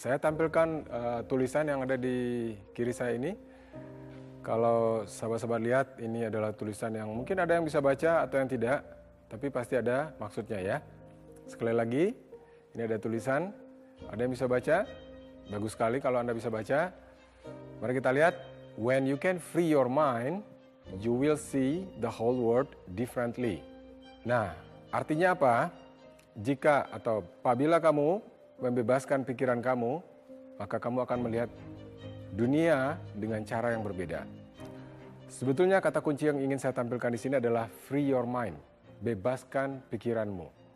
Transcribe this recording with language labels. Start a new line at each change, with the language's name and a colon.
Indonesian: Saya tampilkan tulisan yang ada di kiri saya ini. Kalau sahabat-sahabat lihat, ini adalah tulisan yang mungkin ada yang bisa baca atau yang tidak, tapi pasti ada maksudnya ya. Sekali lagi, ini ada tulisan, ada yang bisa baca? Bagus sekali kalau Anda bisa baca. Mari kita lihat,
English: when you can free your mind, you will see the whole world differently.
Indonesian: Nah, artinya apa? Jika atau apabila kamu membebaskan pikiran kamu, maka kamu akan melihat dunia dengan cara yang berbeda. Sebetulnya kata kunci yang ingin saya tampilkan di sini adalah free your mind, bebaskan pikiranmu.